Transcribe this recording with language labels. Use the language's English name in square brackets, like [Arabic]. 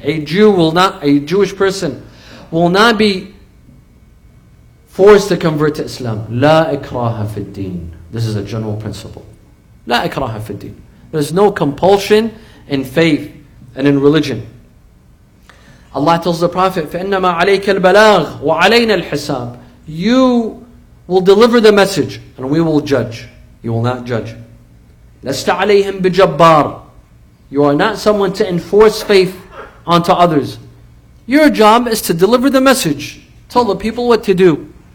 [English] A Jewish person will not be forced to convert to Islam. [Arabic] لا إكراه في الدين. [English] This is a general principle. [Arabic] لا إكراه في الدين. [English] There's no compulsion in faith and in religion. Allah tells the Prophet, [Arabic] فَإِنَّمَا عَلَيْكَ الْبَلَاغُ وَعَلَيْنَا الْحِسَابُ. [English] You will deliver the message and we will judge. You will not judge. [Arabic] لَسْتَ عَلَيْهِمْ بِجَبَّارٍ. [English] You are not someone to enforce faith onto others. Your job is to deliver the message. Tell the people what to do.